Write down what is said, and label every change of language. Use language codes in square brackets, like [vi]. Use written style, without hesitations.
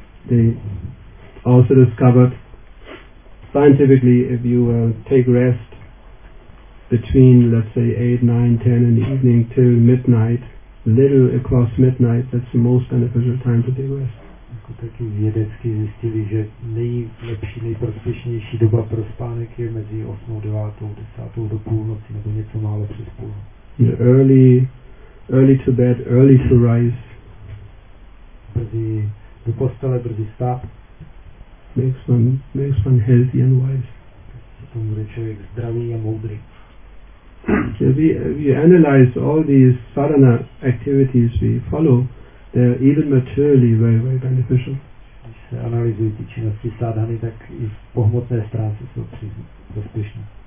[en] They also discovered scientifically if you take rest between, let's say, 8, 9, 10 in the evening till midnight, little across midnight, that's the most beneficial time to take rest. [cs] Jako taky vědecky zjistili, že nejlepší, nejprospěšnější doba pro spánek je mezi 8, 9, 10 do půlnoci nebo něco málo přes půlnoci. [en] Early to bed, early to rise. [cs] Brzy do postele, brzy stát. [en] Makes one healthy and wise. [cs] Potom bude člověk zdravý a moudrý. [en] So we analyze all these sadhana activities we follow, they are even materially very, very beneficial. [cs] Když se analyzují ty činnosti sadhany, tak i v pohmotné stránce jsou prospěšné.